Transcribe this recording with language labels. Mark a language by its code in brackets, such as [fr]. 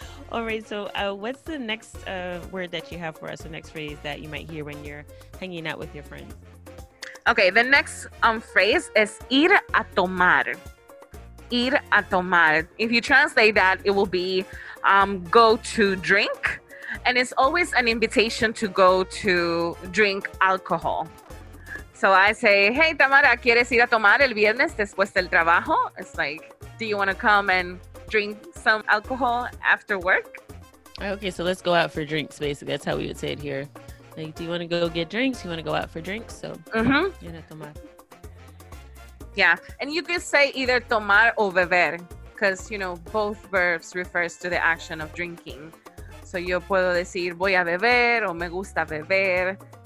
[en] All right, so what's the next word that you have for us, the next phrase that you might hear when you're hanging out with your friends? Okay, the next phrase is [es] ir a tomar. Ir a tomar. [en] If you translate that, it will be go to drink. And it's always an invitation to go to drink alcohol. So I say, hey, [es] Tamara, ¿quieres ir a tomar el viernes después del trabajo? [en] It's like, do you want to come and drink some alcohol after work? Okay, so let's go out for drinks, basically. That's how we would say it here. Like, do you want to go get drinks? You want to go out for drinks? So, [es] ir a tomar. [en] Yeah, and you could say either [es] tomar o beber, [en] because, you know, both verbs refers to the action of drinking. [es] So yo puedo decir voy a beber o me gusta beber.